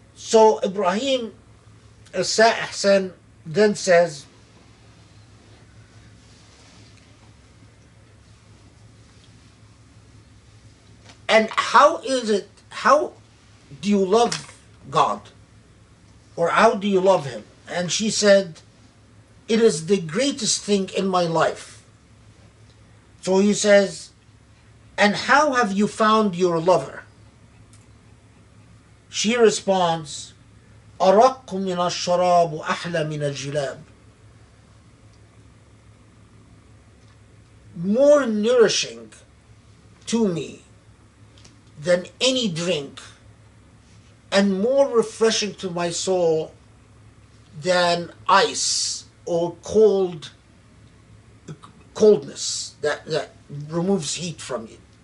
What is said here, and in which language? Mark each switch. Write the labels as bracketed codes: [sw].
[en] So Ibrahim al-Sa'ih then says, and how is it, how do you love God? Or how do you love Him? And she said, it is the greatest thing in my life. So he says, and how have you found your lover? She responds, [ar] أرق من الشراب وأحلى من الجلاب. [en] more nourishing to me than any drink, and more refreshing to my soul than ice or coldness that removes heat from you.